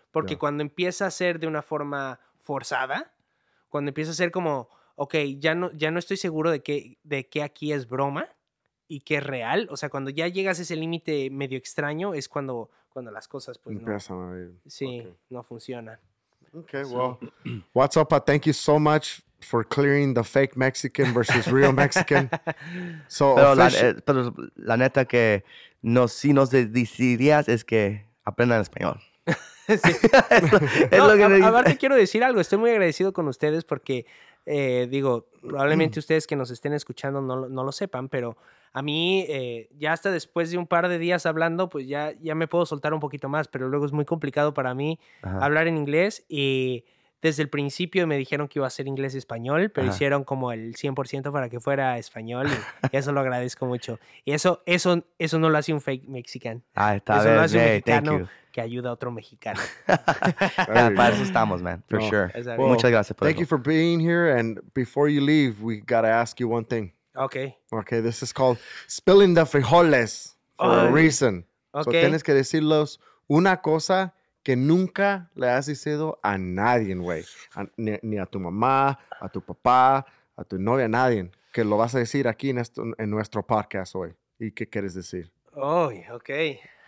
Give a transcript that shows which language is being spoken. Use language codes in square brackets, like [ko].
[es] Porque cuando empieza a ser de una forma forzada, cuando empieza a ser como... Ok, ya no estoy seguro de que aquí es broma y que es real. O sea, cuando ya llegas a ese límite medio extraño, es cuando las cosas, pues, empiezan a ir. Sí, okay. No funcionan. Ok, sí. [en] Well, what's up, thank you so much for clearing the fake Mexican versus real Mexican. So, [es] pero la neta que si nos decidirías es que aprendan español. Aparte quiero decir algo. Estoy muy agradecido con ustedes porque... digo, probablemente ustedes que nos estén escuchando no lo sepan, pero a mí ya hasta después de un par de días hablando, pues ya me puedo soltar un poquito más, pero luego es muy complicado para mí hablar en inglés y desde el principio me dijeron que iba a ser inglés y español, pero hicieron como el 100% para que fuera español y eso lo agradezco mucho. Y eso no lo hace un [en] fake Mexican. [es] Ah, está bien. Eso lo hace un mexicano que ayuda a otro mexicano. Yeah, para eso estamos, man. [en] For sure. Well, [es] muchas gracias por [en] thank you for being here. And before you leave, we gotta ask you one thing. Okay. Okay, this is called spilling the frijoles for a reason. Okay. [es] So tienes que decirlos una cosa que nunca le has dicho a nadie, güey. Ni a tu mamá, a tu papá, a tu novia, a nadie. Que lo vas a decir aquí en nuestro podcast hoy. ¿Y qué quieres decir? Oy, okay.